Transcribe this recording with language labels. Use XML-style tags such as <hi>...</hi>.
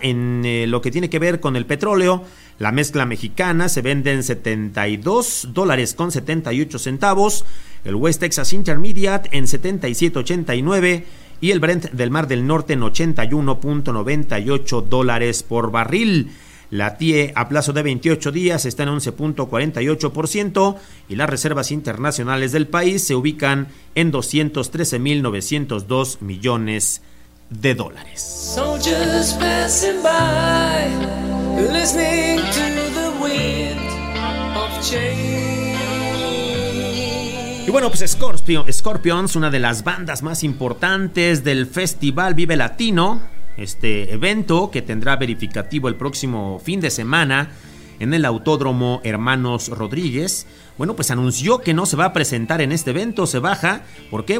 <es>En lo que tiene que ver con el petróleo, la mezcla mexicana se vende en $72.78, el West Texas Intermediate en $77.89 y el Brent del Mar del Norte en $81.98 por barril. La TIE a plazo de 28 días está en 11.48% y las reservas internacionales del país se ubican en $213.902 millones de dólares.</es> <en>So just passing by, listening to the wind of change.</en> <es>Y bueno, pues Scorpions, una de las bandas más importantes del Festival Vive Latino, este evento que tendrá verificativo el próximo fin de semana en el Autódromo Hermanos Rodríguez, bueno, pues anunció que no se va a presentar en este evento, se baja. ¿Por qué?</es>